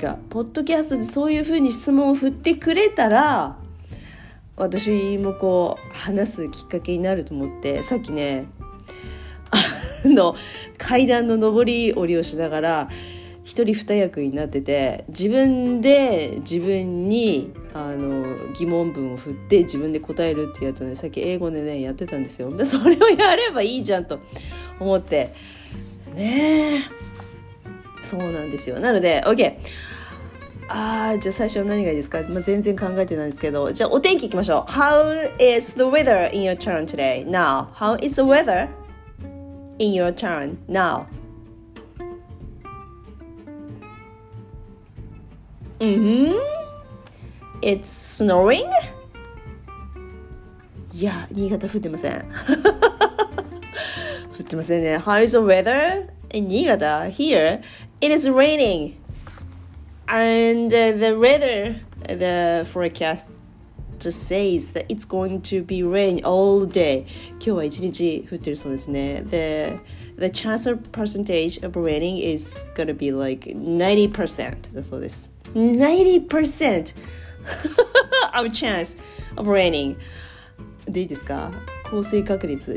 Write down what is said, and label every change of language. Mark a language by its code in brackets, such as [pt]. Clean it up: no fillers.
[ja] ポッドキャストでそういう風に質問を振ってくれたら、私もこう話すきっかけになると思って、さっきね、階段の上り下りをしながら、一人二役になってて自分で自分に疑問文を振って自分で答えるっていうやつをねさっき英語でねやってたんですよでそれをやればいいじゃんと思ってねそうなんですよなので OK ああじゃあ最初は何がいいですか、まあ、全然考えてないんですけどじゃあお天気いきましょう [en] How is the weather in your town today? Now How is the weather in your town? Now Mm-hmm. It's snowing? [ja] Yeah, 新潟降ってません。降ってませんね。 [en] How is the weather in 新潟?Here, it is raining. And the forecast just says that it's going to be rain all day. [ja] 今日は一日降ってるそうですね。 [en] The chance of percentage of raining is going to be like 90% [ja] だそうです。 [en] 90% of chance of raining. [ja] でいいですか?降水確率。